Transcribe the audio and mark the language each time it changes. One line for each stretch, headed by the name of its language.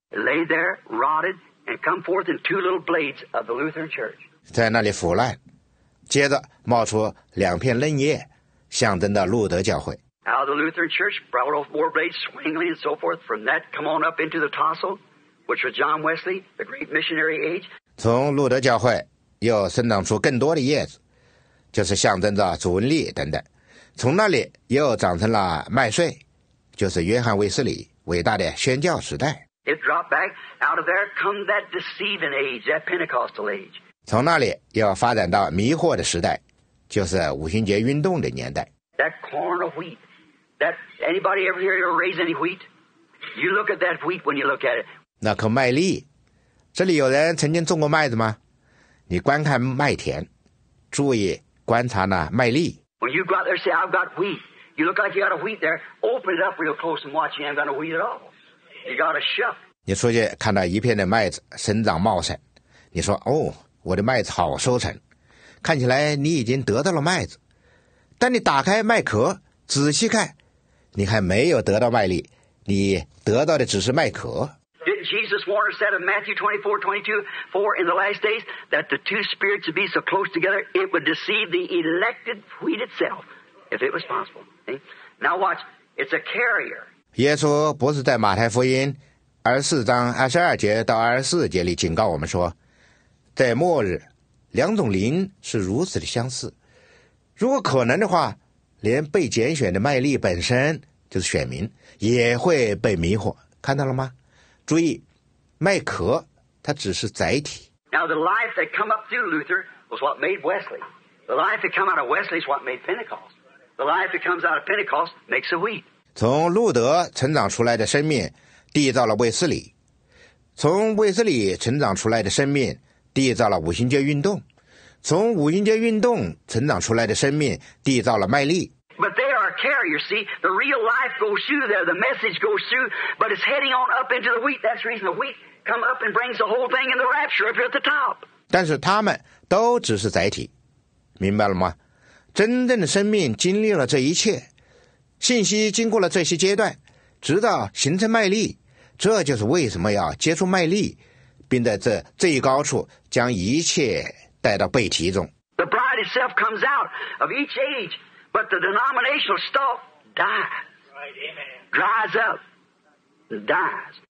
English: Lay there, rotted, and come forth in two little blades of the Lutheran Church.
Chinese: 在那里腐烂，接着冒出两片嫩叶，象征的路德教会。
English: Out of the Lutheran Church, brought off more blades, swingly and so forth. From that, come on up into the tassel, which was John Wesley, the great missionary age.
Chinese: 从路德教会。又生长出更多的叶子，就是象征着主恩力等等。从那里又长成了麦穗，就是约翰卫斯理伟大的宣教时代。
English: It dropped back out of there, come that deceiving age, that Pentecostal age.
Chinese: 从那里又发展到迷惑的时代，就是五旬节运动的年代。
English: That corn of wheat, that anybody ever here raise any wheat? You look at that wheat when you look at it.
Chinese: 那颗麦粒，这里有人曾经种过麦子吗？你观看麦田，注意观察那麦粒。
English: When you go out there, say I've got wheat. You look like you got a wheat there. Open it up real close and watch. You ain't got a wheat at all. You got a shuck.
Chinese: 你出去看到一片的麦子生长茂盛，你说：“哦，我的麦子好收成，看起来你已经得到了麦子。” 但你打开麦壳仔细看，你还没有得到麦粒，你得到的只是麦壳。
English: Didn't Jesus warn us that in Matthew 24:22, in the last days, that the two spirits would be so close together, it would deceive the elected wheat itself, if it was possible. Now watch, it's a carrier.
Chinese: 耶稣不是在马太福音24:22-24里警告我们说，在末日，两种灵是如此的相似。如果可能的话，连被拣选的麦粒本身，就是选民，也会被迷惑。看到了吗？注意，麦壳它只是载体。
English: Now the life that come up through Luther was what made Wesley. The life that come out of Wesley is what made Pentecost. The life that comes out of Pentecost makes a wheat.
Chinese: 从路德成长出来的生命缔造了卫斯理，从卫斯理成长出来的生命缔造了五旬节运动，从五旬节运动成长出来的生命缔造了麦粒。
English: But they are carriers, see? The real life goes through there, the message goes through, but it's heading on up into the wheat. That's the reason the wheat come up and brings the whole thing in the rapture up here at the top.
Chinese: 但是他们都只是载体，明白了吗？真正的生命经历了这一切，信息经过了这些阶段，直到形成麦粒，这就是为什么要接触麦粒，并在这最高处将一切带到背体中。
English: The bride itself comes out of each age. But the denominational stalk dies, dries up, dies.